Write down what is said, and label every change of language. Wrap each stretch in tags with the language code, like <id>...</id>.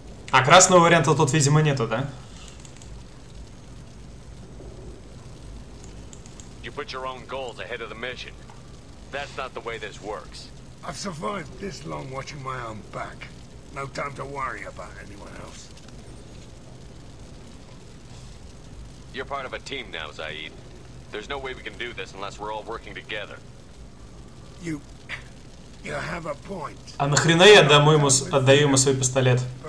<ru>А красного варианта тут, видимо, нету, да?</ru> <en>You put your own goals ahead of the mission. That's not the way this works. I've survived this long watching my own back. No time to worry about anyone else. You're part of a team now, Zaid. There's no way we can do this unless we're all working together. You... You have a point.</en> <ru>А нахрена я отдаю ему, свой пистолет?</ru>